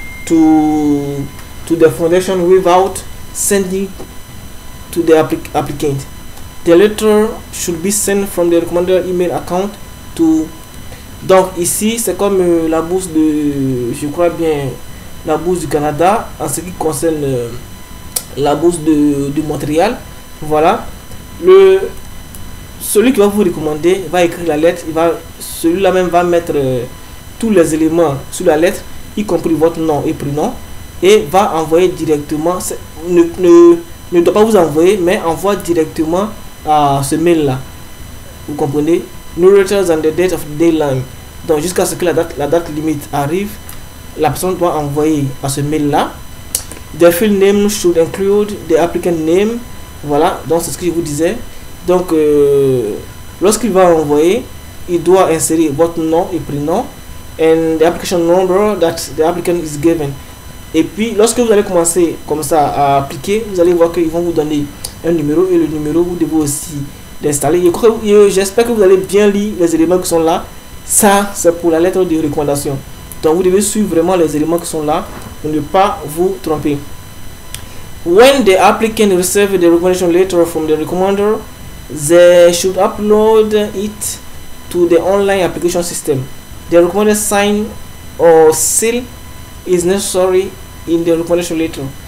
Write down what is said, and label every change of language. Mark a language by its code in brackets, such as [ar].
[en] to the foundation without sending to the applicant. The letter should be sent from the recommender email account to. [fr] Donc ici c'est comme la bourse de, je crois bien la bourse du Canada en ce qui concerne la bourse de Montréal. Voilà, le celui qui va vous recommander va écrire la lettre, il va, celui-là même va mettre tous les éléments sur la lettre, y compris votre nom et prénom, et va envoyer directement, ne doit pas vous envoyer, mais envoie directement à ce mail là, vous comprenez, [en] no later than the date of the deadline. [fr] Donc jusqu'à ce que la date limite arrive, la personne doit envoyer à ce mail là. [en] The field name should include the applicant name. [fr] Voilà, donc c'est ce que je vous disais. Donc lorsqu'il va envoyer, il doit insérer votre nom et prénom [en] and the application number that the applicant is given. [fr] Et puis lorsque vous allez commencer comme ça à appliquer, vous allez voir qu'ils vont vous donner un numéro et le numéro vous devez aussi l'installer. J'espère que vous allez bien lire les éléments qui sont là. Ça c'est pour la lettre de recommandation, donc vous devez suivre vraiment les éléments qui sont là pour ne pas vous tromper. [en] When the applicant receives the recommendation letter from the recommender, they should upload it to the online application system. The recommender sign or seal is necessary in the recommendation letter.